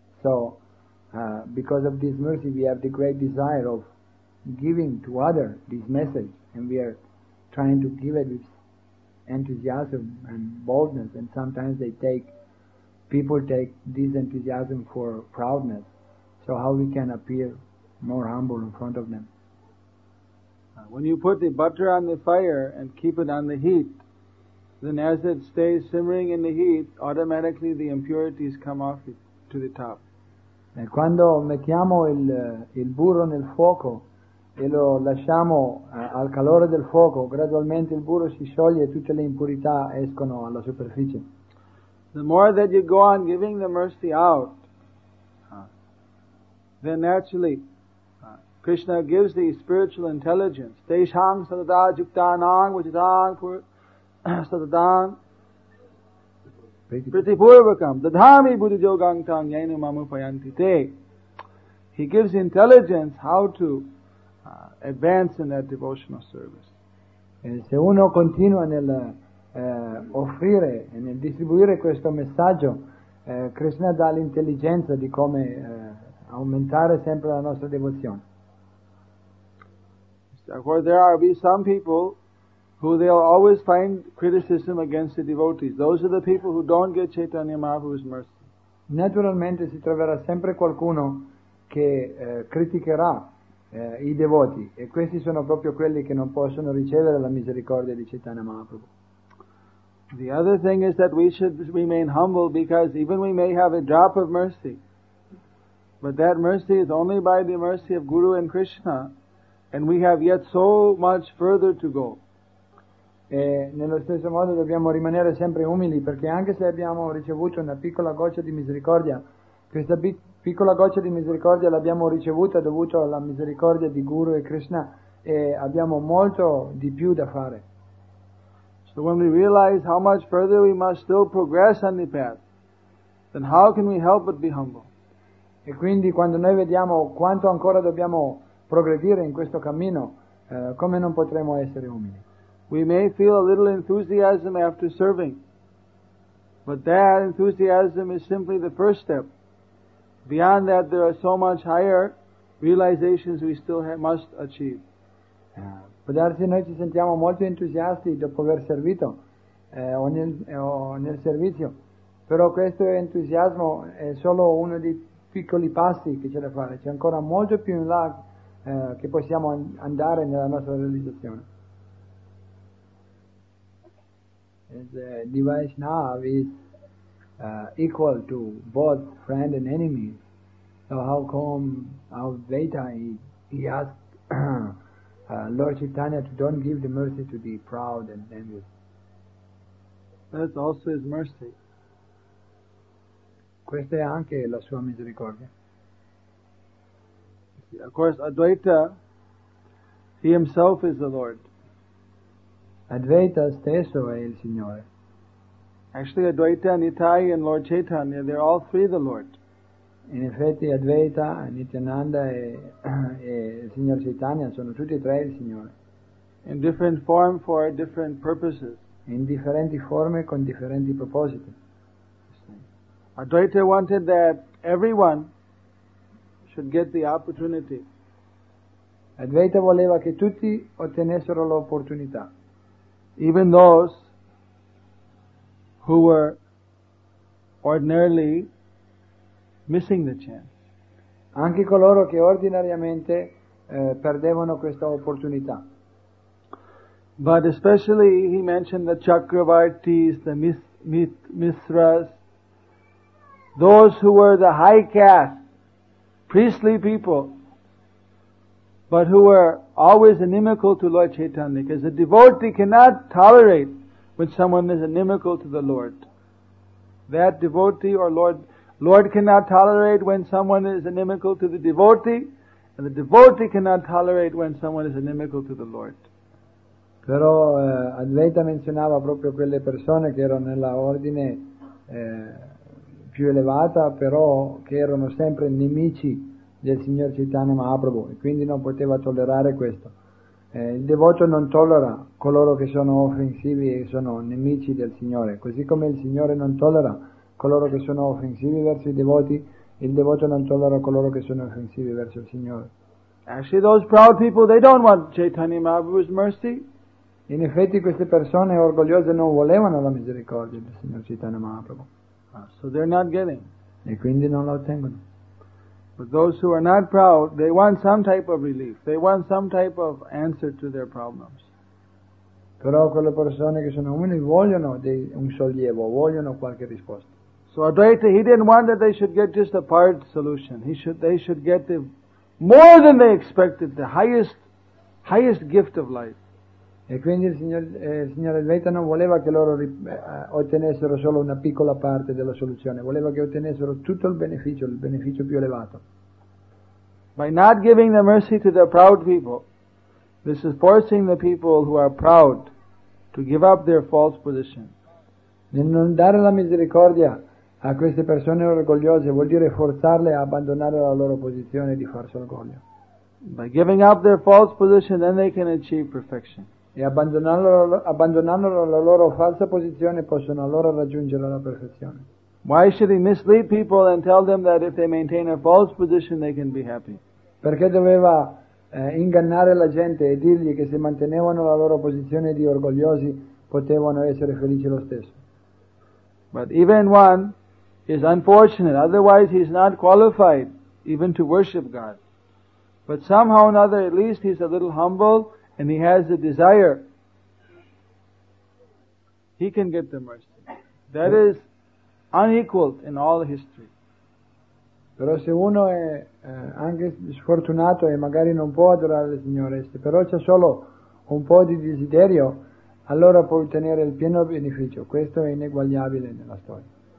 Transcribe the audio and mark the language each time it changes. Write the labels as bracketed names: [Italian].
[English] So because of this mercy we have the great desire of giving to others this message, and we are trying to give it with enthusiasm and boldness, and sometimes people take this enthusiasm for proudness. So how we can appear more humble in front of them? When you put the butter on the fire and keep it on the heat, then as it stays simmering in the heat, automatically the impurities come off it to the top. [Italian] E quando mettiamo il burro nel fuoco e lo lasciamo al calore del fuoco, gradualmente il burro si scioglie e tutte le impurità escono alla superficie. [English] The more that you go on giving the mercy out, then naturally Krishna gives the spiritual intelligence. [Sanskrit] Deshang sadada juktanang vajitang pur sadadang pritipurvakam dadhami buddhi jogang tang yainu mamu payanti te. [English] He gives intelligence how to advance in that devotional service. [Italian] Se uno continua nel offrire e nel distribuire questo messaggio, Krishna dà l'intelligenza di come aumentare sempre la nostra devozione. [English] Therefore, there are be some people who they'll always find criticism against the devotees. Those are the people who don't get Chaitanya Mahaprabhu's mercy. [Italian] Naturalmente si troverà sempre qualcuno che criticherà i devoti, e questi sono proprio quelli che non possono ricevere la misericordia di Chaitanya Mahaprabhu. [English] The other thing is that we should remain humble, because even we may have a drop of mercy, but that mercy is only by the mercy of Guru and Krishna, and we have yet so much further to go. [Italian] E nello stesso modo dobbiamo rimanere sempre umili, perché anche se abbiamo ricevuto una piccola goccia di misericordia, questa piccola goccia di misericordia l'abbiamo ricevuta dovuto alla misericordia di Guru e Krishna, e abbiamo molto di più da fare. [English] So when we realize how much further we must still progress on the path, then how can we help but be humble? [Italian] E quindi quando noi vediamo quanto ancora dobbiamo progredire in questo cammino, come non potremo essere umili? [English] We may feel a little enthusiasm after serving, but that enthusiasm is simply the first step. Beyond that, there are so much higher realizations we still must achieve. [Italian] Può darsi noi ci sentiamo molto entusiasti dopo aver servito o nel servizio, però questo entusiasmo è solo uno dei piccoli passi che c'è da fare. C'è ancora molto più in là che possiamo andare nella nostra realizzazione. [English] The Vaishnava is equal to both friend and enemy. So how come Advaita he asked Lord Chaitanya to don't give the mercy to the proud and envious? That's also his mercy. [Italian] Questa è anche la sua misericordia. [English] Of course, Advaita, he himself is the Lord. [Italian] Advaita stesso è il Signore. [English] Actually, Advaita, Nitai and Lord Chaitanya, they're all three the Lord. [Italian] In effetti, Advaita, Nityananda e il Signor Chaitanya sono tutti e tre il Signore. [English] In different form for different purposes. [Italian] In differenti forme con differenti propositi. [English] Advaita wanted that everyone should get the opportunity. [Italian] Advaita voleva che tutti ottenessero l'opportunità. [English] Even those who were ordinarily missing the chance. [Italian] Anche coloro che ordinariamente perdevano questa opportunità. [English] But especially he mentioned the Chakravartis, the Misras, those who were the high caste, priestly people, but who were always inimical to Lord Chaitanya, because a devotee cannot tolerate when someone is inimical to the Lord. That devotee or Lord cannot tolerate when someone is inimical to the devotee, and the devotee cannot tolerate when someone is inimical to the Lord. [Italian] Però Advaita menzionava proprio quelle persone che erano nella ordine più elevata, però che erano sempre nemici del Signor Chaitanya Mahaprabhu, e quindi non poteva tollerare questo. Il devoto non tollera coloro che sono offensivi e sono nemici del Signore, così come il Signore non tollera coloro che sono offensivi verso i devoti, il devoto non tollera coloro che sono offensivi verso il Signore. [English] Actually, those proud people, they don't want Chaitanya Mahaprabhu's mercy. [Italian] In effetti queste persone orgogliose non volevano la misericordia del Signor Chaitanya Mahaprabhu. [English] So they're not giving. [Italian] E quindi non la ottengono. [English] But those who are not proud, they want some type of relief. They want some type of answer to their problems. [Italian] Però quelle persone che sono umili vogliono un sollievo, vogliono qualche risposta. [English] So Advaita, he didn't want that they should get just a part solution. They should get the more than they expected, the highest gift of life. [Italian] E quindi il signor Advaita non voleva che loro ottenessero solo una piccola parte della soluzione, voleva che ottenessero tutto il beneficio più elevato. [English] By not giving the mercy to the proud people, this is forcing the people who are proud to give up their false position. [Italian] Nel non dare la misericordia a queste persone orgogliose vuol dire forzarle a abbandonare la loro posizione di farsi orgoglio. [English] By giving up their false position, then they can achieve perfection. [Italian] E abbandonando la loro falsa posizione possono allora raggiungere la perfezione. [English] Why should he mislead people and tell them that if they maintain a false position they can be happy? [Italian] Perché doveva ingannare la gente e dirgli che se mantenevano la loro posizione di orgogliosi potevano essere felici lo stesso? [English] But even one is unfortunate, otherwise he's not qualified even to worship God. But somehow or another, at least he's a little humble and he has a desire, he can get the mercy. That is unequaled in all history. [Italian] Però se uno è anche sfortunato e magari non può adorare il Signore, se però c'è solo un po' di desiderio, allora può ottenere il pieno beneficio. Questo è ineguagliabile nella storia.